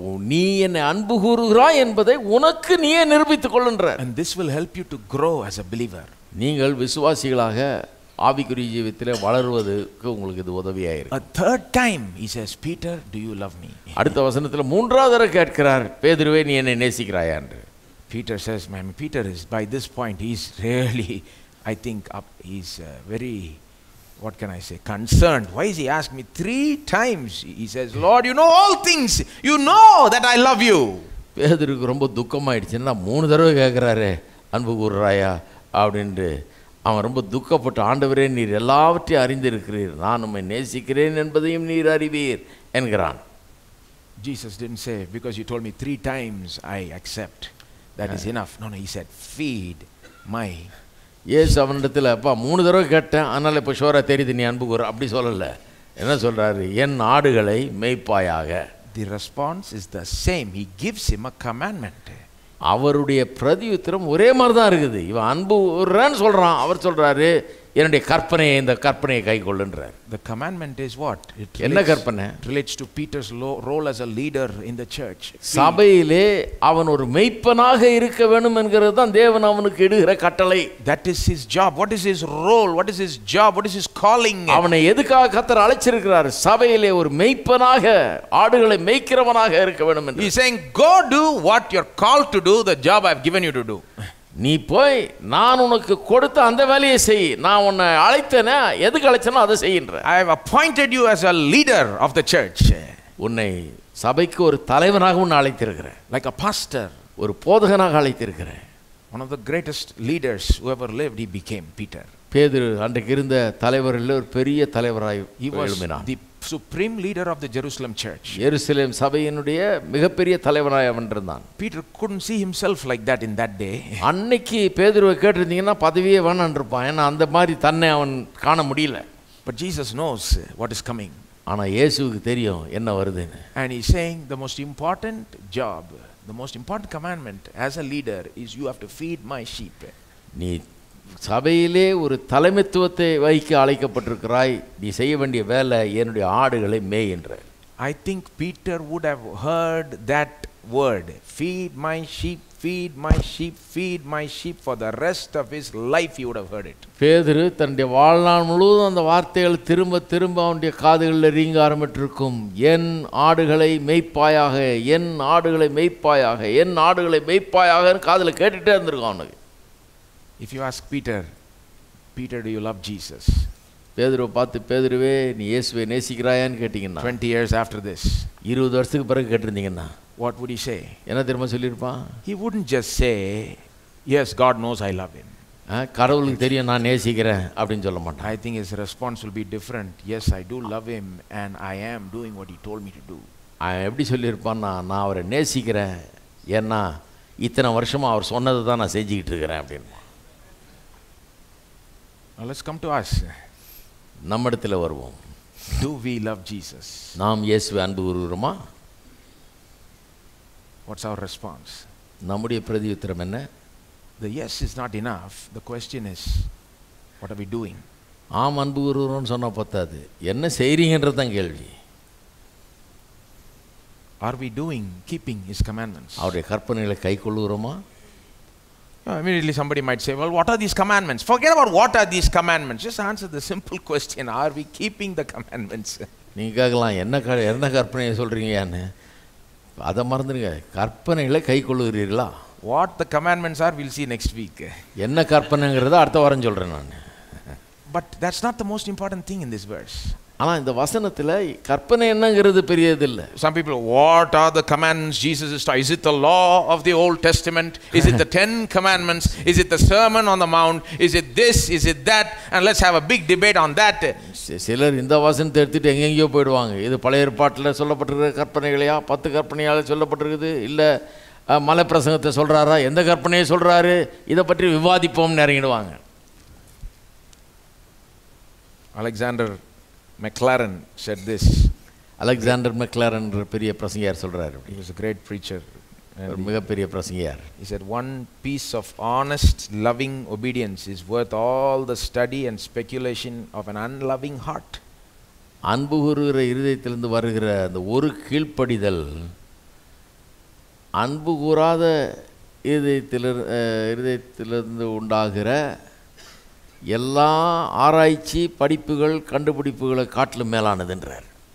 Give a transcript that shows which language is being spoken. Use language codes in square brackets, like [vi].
[ta] நீ என்னை அன்பு கூறுகிறாய் என்பதை உனக்கு நீயே நிரூபித்துக் கொள்ளுன்றார். [en] And this will help you to grow as a believer. [ta] நீங்கள் விசுவாசிகளாக ஆவிக்குரிய ஜீவித்தில் வளருவதுக்கு உங்களுக்கு இது உதவியாக இருக்கு. [en] A third time he says, Peter, do you love me? அடுத்த வசனத்தில் மூன்றாவது தடவை கேட்கிறார், பேதுருவே, நீ என்னை நேசிக்கிறாயா என்று. Peter says, man, Peter is by this point, he's really, I think, he's very, what can I say, concerned. Why is he asking me three times? He says, Lord, you know all things. You know that I love you. [ta] பேதுருக்கு ரொம்ப துக்கமாயிடுச்சுன்னா மூணு தடவை கேட்குறாரு, அன்பு கூறுறாயா அப்படின்ட்டு. அவன் ரொம்ப துக்கப்பட்டு, ஆண்டவரே, நீர் எல்லாவற்றையும் அறிந்திருக்கிறீர், நான் உம்மை நேசிக்கிறேன் என்பதையும் நீர் அறிவீர் என்கிறான். [en] Jesus didn't say, because you told me three times I accept, that is enough. No, he said, feed my. [ta] இயேசு அவனிடத்தில், அப்பா, மூணு தடவை கேட்டேன், அதனால் இப்போ ஷோராக தெரியுது நீ அன்பு கூற, அப்படி சொல்லலை. என்ன சொல்கிறாரு, என் ஆடுகளை மேய்ப்பாயாக. [en] The response is the same. He gives him a commandment. [ta] அவருடைய பிரதியுத்தரம் ஒரே மாதிரி தான் இருக்குது. இவன் அன்புறன்னு சொல்கிறான், அவர் சொல்கிறாரு, என்னுடைய கற்பனையை, இந்த கற்பனையை கை கொள்ளுன்றார். [en] The commandment is what? [ta] என்ன கற்பனை? [en] Relates to Peter's role as a leader in the church. [ta] சபையிலே அவன் ஒரு மெய்ப்பனாக இருக்க வேண்டும் என்கிறது தான் தேவன் அவனுக்கு இடுகிற கட்டளை. [en] That is his job. What is his role? What is his job? What is his calling? [ta] அவனை எதுக்காக கர்த்தர் அழைச்சிருக்கிறார்? சபையிலே ஒரு மெய்ப்பனாக, ஆடுகளை மேய்க்கிறவனாக இருக்க வேண்டும் என்று. [en] He is saying, go do what you are called to do, the job I have given you to do. [ta] நீ போய் நான் உனக்கு கொடுத்த அந்த வேலையை செய். நான் உன்னை அழைத்தேனா, எதுக்கு அழைச்சனோ அதை செய்கின்ற. [en] I have appointed you as a leader of the church. [ta] உன்னை சபைக்கு ஒரு தலைவனாக உன்னை அழைத்திருக்கிறேன். [en] Like a pastor. [ta] ஒரு போதகனாக அழைத்திருக்கிறேன். [en] One of the greatest leaders who ever lived, he became Peter. [ta] பேதுரு அன்றைக்கு இருந்த தலைவர்களில் ஒரு பெரிய தலைவராய் எழுமினான். [en] He was the supreme leader of the Jerusalem church. [ta] எருசலேம் சபையினுடைய மிகப்பெரிய தலைவராய் அவன் இருந்தான். [en] Peter couldn't see himself like that in that day. [ta] அன்னைக்கு பேதுருவை கேட்டிருந்தீங்கன்னா பதவியே வேணான்றிருப்பான். ஏன்னா அந்த மாதிரி தன்னை அவன் காண முடியல. [en] But Jesus knows what is coming. [ta] ஆனால் இயேசுக்கு தெரியும் என்ன வருதுன்னு. [en] And he's saying the most important job, the most important commandment as a leader is you have to feed my sheep. [ta] நீ சபையிலே ஒரு தலைமைத்துவத்தை வகிக்க அழைக்கப்பட்டிருக்கிறாய், நீ செய்ய வேண்டிய வேலை என்னுடைய ஆடுகளை மேய்கின்ற. [en] I think Peter would have heard that word, feed my sheep, feed my sheep, feed my sheep. For the rest of his life he would have heard it. [ta] பேதுரு தன்னுடைய வாழ்நாள் முழுவதும் அந்த வார்த்தைகள் திரும்ப திரும்ப அவனுடைய காதுகளில் ரீங்க ஆரம்பிட்டிருக்கும். என் ஆடுகளை மேய்ப்பாயாக, என் ஆடுகளை மேய்ப்பாயாக, என் ஆடுகளை மேய்ப்பாயாக காதில் கேட்டுகிட்டே இருந்திருக்கும் அவனுக்கு. [en] If you ask Peter, Peter, do you love Jesus? [ta] பேதுரு பார்த்து, பேதுருவே நீ இயேசுவை நேசிக்கிறாயான்னு கேட்டிங்கன்னா, [en] 20 years after this, [ta] 20 வருஷத்துக்கு பிறகு கேட்டிருந்தீங்கன்னா, [en] what would he say? [ta] என்ன தெரியுமா சொல்லிருப்பான்? [en] He wouldn't just say, yes, God knows I love him. [ta] கடவுளுக்கு தெரியும் நான் நேசிக்கிறேன் அப்படின்னு சொல்ல மாட்டான். [en] I think his response will be different. Yes, I do love him and I am doing what he told me to do. [ta] எப்படி சொல்லியிருப்பான்னா, நான் அவரை நேசிக்கிறேன், ஏன்னா இத்தனை வருஷமாக அவர் சொன்னதை தான் நான் செஞ்சுக்கிட்டு இருக்கிறேன் அப்படின்னு. [en] Let's come to us. [ta] நம்ம இடத்துல வருவோம். [en] Do we love Jesus? [ta] நாம் இயேசுவை அன்பு கூறுகிறோமா? [en] What's our response? [ta] நம்முடைய பிரதியுத்தரம் என்ன? [en] The yes is not enough. The question is, what are we doing? [ta] ஆம் அன்பு கூறுகிறோம்னு சொன்ன பத்தாது, என்ன செய்றீங்கன்றது தான் கேள்வி. [en] Are we doing, keeping his commandments? [ta] அவருடைய கற்பனைகளை கை கொள்ளுகிறோமா? [en] Immediately somebody might say, well, what are these commandments? Forget about what are these commandments. Just answer the simple question, are we keeping the commandments? [ta] நீங்க கேட்கலாம், என்ன கற்பனையை சொல்றீங்கன்னு. அதை மறந்துடுங்க, கற்பனைகளை கை கொள்ளுகிறீர்களா? [en] What the commandments are will see next week. [ta] என்ன கற்பனைங்கிறத அடுத்த வாரம் சொல்கிறேன் நான். [en] But that's not the most important thing in this verse. [ta] ஆனால் இந்த வசனத்தில் கற்பனை என்னங்கிறது பெரியதில்லை. [en] Some people, what are the commands Jesus is to, is it the law of the Old Testament, is it the 10 commandments, is it the Sermon on the Mount, is it this, is it that, and let's have a big debate on that. [ta] சிலர் இந்த வசனத்தை எடுத்துகிட்டு எங்கெங்கேயோ போயிடுவாங்க. இது பழைய ஏற்பாட்டில் சொல்லப்பட்டிருக்கிற கற்பனைகளையா, 10 கற்பனையால் சொல்லப்பட்டிருக்குது, இல்லை மலை பிரசங்கத்தை சொல்கிறாரா, எந்த கற்பனையை சொல்கிறாரு, இதை பற்றி விவாதிப்போம்னு இறங்கிடுவாங்க. [en] Alexander McLaren said this. [ta] Alexander McLaren ஒரு பெரிய பிரசங்கியார் சொல்றாரு. [en] He was a great preacher. [ta] ஒரு மிகப்பெரிய பிரசங்கியார். [en] He said one piece of honest loving obedience is worth all the study and speculation of an unloving heart. [ta] அன்பு கூறுகிற இருதயத்திலிருந்து வருகிற அந்த ஒரு கீழ்ப்படிதல், அன்பு கூறாத இருதயத்திலிருந்து உண்டாகிற எல்லா ஆராய்ச்சி படிப்புகள் கண்டுபிடிப்புகளை காட்டிலும் மேலானதுன்றார்.